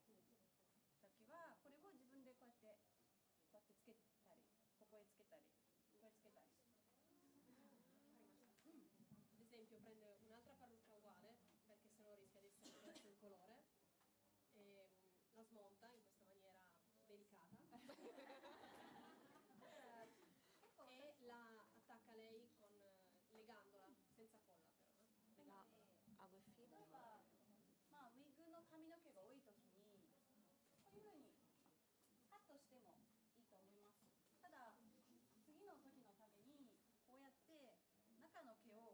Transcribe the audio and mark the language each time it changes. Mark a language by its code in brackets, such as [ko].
[ja] 時はこれを自分でこうやってこうやってつけたり、ここへつけたり、ここへつけたり。 [it] Ad esempio, prende un'altra parrucca uguale, perché sennò rischia di essere perso il colore, e la smonta in questa maniera delicata. E la attacca lei con legandola, senza colla però. Ago e filo. [ja] Ma ウィグの髪の毛が多い時に。こういうふうにカットしてもいいと思います。ただ次の時のためにこうやって中の毛